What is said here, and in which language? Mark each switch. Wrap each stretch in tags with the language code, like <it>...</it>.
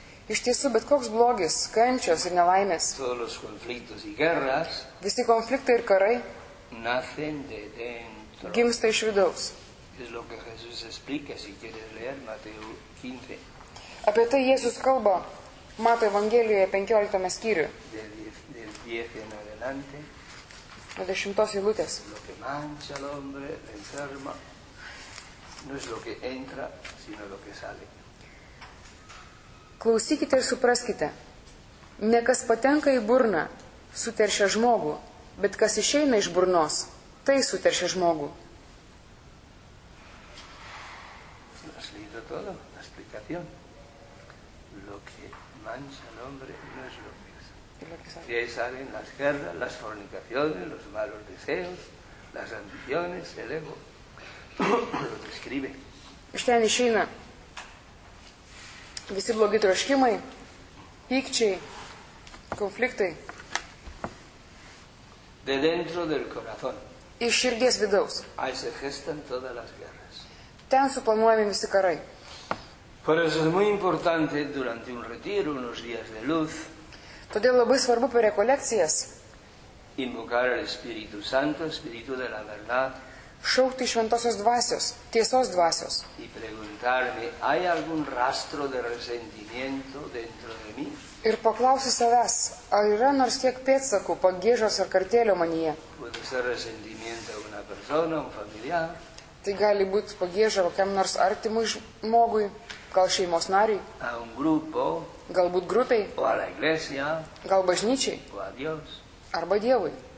<lt>Iš tiesų, bet koks blogis, kančios ir nelaimės,</lt> <es>todos los conflictos y guerras,</es> <lt>visi konfliktai ir karai,</lt> <es>nacen de den.</es> <lt>Gimsta iš vidaus.</lt> <es>Es lo que Jesús explica, si quieres leer Mateo 15.</es> <lt>Apie tai Jėzus kalba Mato Evangelijoje 15 skyriuje.</lt> <es>Del 10 en adelante.</es> <lt>10 eilutės.</lt> <es>Lo que mancha al hombre, la enferma, no es lo que entra, sino lo que sale.</es> <lt>Klausykite ir supraskite. Ne kas patenka į burną, suteršia žmogų, bet kas išeina iš burnos, tai suteršia žmogų.</lt> <es>Has leído todo, la explicación. Lo que mancha al hombre no es lo que es. Y ahí salen las guerras, las fornicaciones, los malos deseos, las ambiciones, el ego. Lo describe.</es> <lt>Iš ten išeina visi blogi troškimai, pykčiai, konfliktai.</lt> <es>De dentro del corazón.</es> <lt>Iš širdies vidaus.</lt> <es>Ahí se gestan todas las guerras.</es> <lt>Ten suplanuojami visi karai.</lt> <es>Por eso es muy importante durante un retiro, unos días de luz.</es> <lt>Todėl labai svarbu per rekolekcijas.</lt> <es>Invocar al Espíritu Santo, Espíritu de la Verdad.</es> <lt>Šaukti šventosios dvasios, tiesos dvasios.</lt> <es>Y preguntarme, ¿hay algún rastro de resentimiento dentro de mí?</es> <lt>Ir paklausi savęs, ar yra nors kiek pėtsakų, pagėžos ar kartėlio manyje. Tai gali būti pagėžo kokiam nors artimui žmogui, gal šeimos nariui, galbūt grupiai, gal bažnyčiai, arba Dievui.</lt>